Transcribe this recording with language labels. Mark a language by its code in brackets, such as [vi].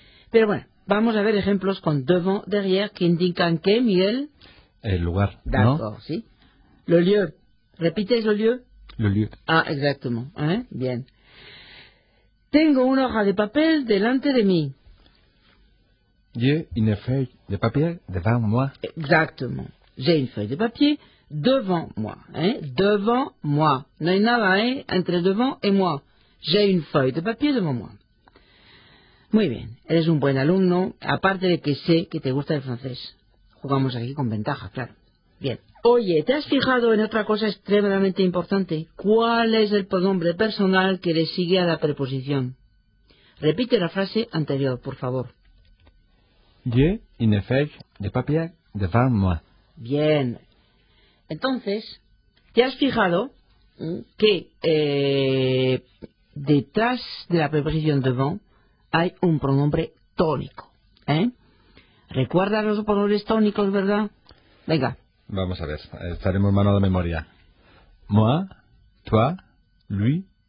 [es] Pero bueno, vamos a ver ejemplos con devant, derrière, que indican qué, Miguel. El lugar, [fr] d'accord, [es] ¿no? Sí. [fr] Le lieu. [es] ¿Repites [fr] le lieu? Le lieu. Ah, exactement. Bien. [es] Tengo una hoja de papel delante de mí. [fr] J'ai une feuille de papier devant moi. Exactement. J'ai une feuille de papier devant moi. Devant moi. [es] No hay nada, entre [fr] devant et moi. J'ai une feuille de papier devant moi. [es] Muy bien. Eres un buen alumno, aparte de que sé que te gusta el francés. Jugamos aquí con ventaja, claro. Bien. Oye, ¿te has fijado en otra cosa extremadamente importante? ¿Cuál es el pronombre personal que le sigue a la preposición? Repite la frase anterior, por favor. [fr] J'ai une feuille de papier devant moi. [es] Bien. Entonces, ¿te has fijado que detrás de la preposición devant hay un pronombre tónico? ¿Recuerdas los pronombres tónicos, verdad? Venga. Vamos a ver, estaremos mano de memoria. [fr] Moi, toi, lui,